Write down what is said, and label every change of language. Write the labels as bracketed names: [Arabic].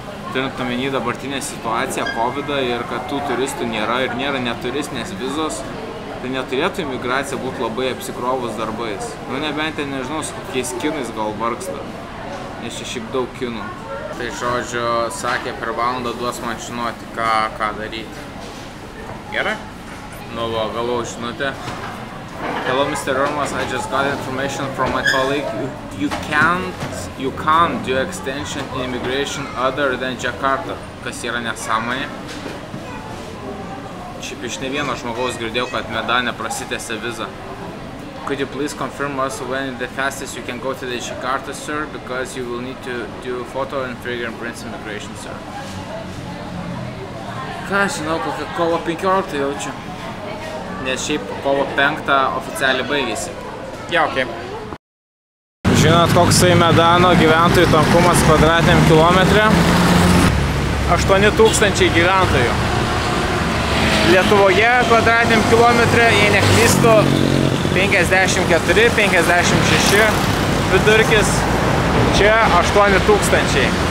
[Lithuanian] Turint omeny dabartinę situaciją, COVID-ą ir kad tų turistų nėra ir nėra neturistinės vizos, tai neturėtų imigracija būti labai apsikrovus darbais. Nu, nebent, nežinau, su kokiais kinais gal vargsta, nes čia šiaip daug kinų. Tai žodžiu, sakė, per valandą duos man žinoti, ką daryti. Gerai? Nu, va, galau žinutę. [English] Hello, Mr. Romas. I just got information from my colleague. You can't do extension in immigration other than Jakarta. [Lithuanian] Kas yra nesąmonė. Šiaip iš ne vieno žmogaus girdėjau, kad Medane prasitėse vizą. [English] Could you please confirm us when the fastest you can go to the Jakarta, sir? Because you will need to do photo and fingerprints immigration, sir. [Lithuanian] Ką, žinau, kokia kovo 15 jaučiu. Nes šiaip kovo 5 oficialiai baigėsi. Ja, okei. [English] Okay. [Lithuanian] Žinot, koksai Medano gyventojų tankumas kvadratiniam kilometre? 8000 gyventojų. Lietuvoje kvadratiniam kilometre, jei neklystu, 54-56 vidurkis, čia 8000.